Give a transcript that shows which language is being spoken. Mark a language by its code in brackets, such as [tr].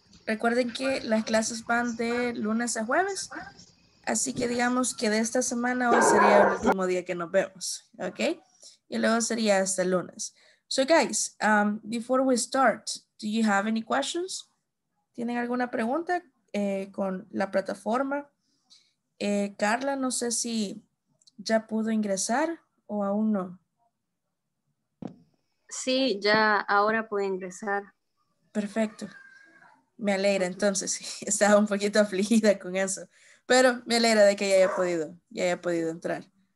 [es] Recuerden que las clases van de lunes a jueves, así que digamos que de esta semana hoy sería el último día que nos vemos, ¿ok? Y luego sería hasta el lunes. [en] So guys, before we start, do you have any questions? [es] ¿Tienen alguna pregunta con la plataforma? Carla, no sé si ya pudo ingresar o aún no. Sí, ya ahora puede ingresar. Perfecto. Me alegra entonces, estaba un poquito afligida con eso, pero me alegra de que ya haya podido entrar.